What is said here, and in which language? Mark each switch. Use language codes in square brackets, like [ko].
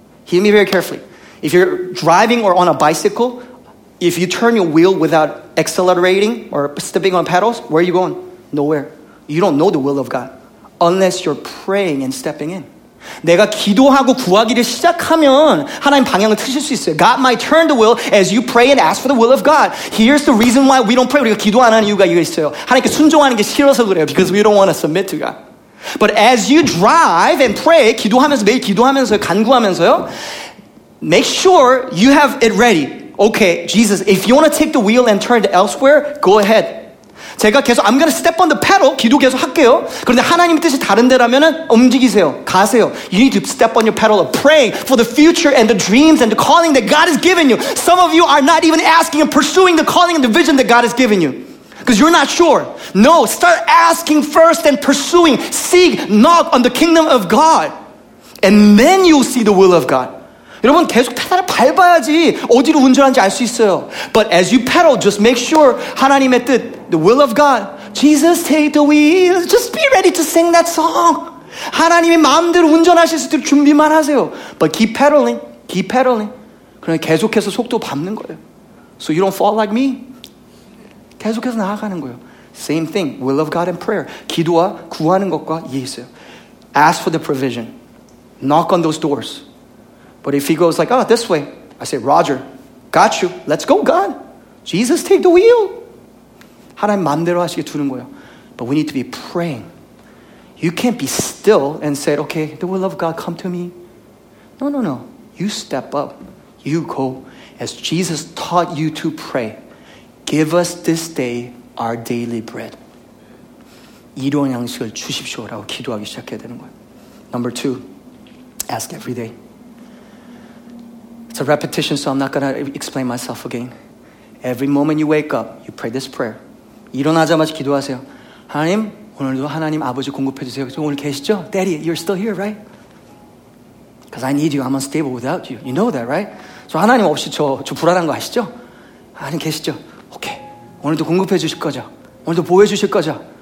[en] Hear me very carefully. If you're driving or on a bicycle, if you turn your wheel without accelerating or stepping on pedals, where are you going? Nowhere. You don't know the will of God unless you're praying and stepping in. [ko] 내가 기도하고 구하기를 시작하면 하나님 방향을 틀실 수 있어요. [en] God might turn the will as you pray and ask for the will of God. Here's the reason why we don't pray. [ko] 우리가 기도 안 하는 이유가 이거 있어요. 하나님께 순종하는 게 싫어서 그래요. [en] Because we don't want to submit to God. But as you drive and pray, [ko] 기도하면서 매일 기도하면서 간구하면서요. [en] Make sure you have it ready. Okay, Jesus, if you want to take the wheel and turn it elsewhere, go ahead. [ko] 제가 계속 [en] I'm gonna step on the pedal [ko] 기도 계속 할게요. 그런데 하나님 뜻이 다른 데라면은 움직이세요. 가세요. [en] You need to step on your pedal of praying for the future and the dreams and the calling that God has given you. Some of you are not even asking and pursuing the calling and the vision that God has given you. Because you're not sure. No, start asking first and pursuing. Seek, knock on the kingdom of God. And then you'll see the will of God. [ko] 여러분 계속 페달을 밟아야지 어디로 운전하는지 알 수 있어요. [en] But as you pedal, just make sure [ko] 하나님의 뜻, [en] the will of God. Jesus, take the wheel. Just be ready to sing that song. [ko] 하나님의 마음대로 운전하실 수 있도록 준비만 하세요. [en] But keep pedaling, keep pedaling. [ko] 그러면 계속해서 속도 밟는 거예요. [en] So you don't fall like me. [ko] 계속해서 나아가는 거예요. [en] Same thing, will of God and prayer. [ko] 기도와 구하는 것과 이해 있어요. [en] Ask for the provision. Knock on those doors. But if he goes like, oh, this way, I say, Roger, got you. Let's go, God. Jesus, take the wheel. [ko] 하나님 마음대로 하시게 두는 거예요. [en] But we need to be praying. You can't be still and say, okay, the will of God, come to me. No, no, no. You step up. You go. As Jesus taught you to pray, give us this day our daily bread. [ko] 이런 양식을 주십시오라고 기도하기 시작해야 되는 거예요. [en] Number two, ask every day. It's a repetition, so I'm not going to explain myself again. Every moment you wake up, you pray this prayer. [ko] 일어나자마자 기도하세요. 하나님, 오늘도 하나님 아버지 공급해 주세요. 오늘 계시죠? [en] Daddy, you're still here, right? Because I need you. I'm unstable without you. You know that, right? [ko] So 하나님 없이 저 불안한 거 아시죠? 하나님 계시죠? Okay. 오늘도 공급해 주실 거죠? 오늘도 보호해 주실 거죠?